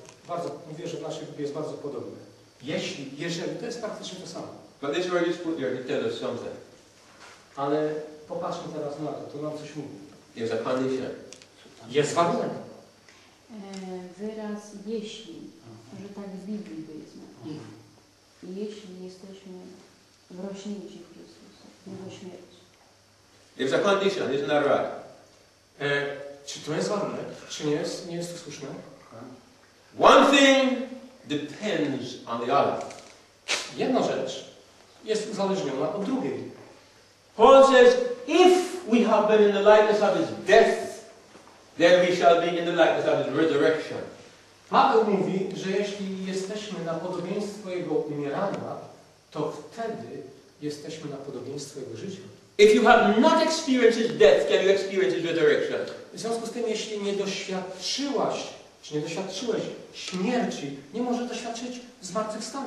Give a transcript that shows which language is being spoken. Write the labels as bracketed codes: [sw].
[pl] Bardzo, mówię, że w naszej Biblii jest bardzo podobne. Jeżeli, to jest praktycznie to samo. [en] But this is where you put your detail or something. [pl] Ale popatrzmy teraz na to, to nam coś mówi. [en] There's a condition. [pl] Jest warunek. Wyraz jeśli, że tak w Biblii powiedzmy. Jeśli jesteśmy wrośnięci w Chrystusa, nie do śmierci. [en] There's a condition, isn't that right? [pl] Czy to jest warunek? Czy nie jest? Nie jest to słuszne? [en] One thing depends on the other. [pl] Jedna rzecz jest uzależniona od drugiej. [en] Paul says, if we have been in the likeness of his death, then we shall be in the likeness of his resurrection. [pl] Paweł mówi, że jeśli jesteśmy na podobieństwo jego umierania, to wtedy jesteśmy na podobieństwo jego życia. [en] If you have not experienced his death, can you experience his resurrection? [pl] W związku z tym, jeśli nie doświadczyłaś, czy nie doświadczyłeś śmierci, nie możesz doświadczyć zmartwychwstania.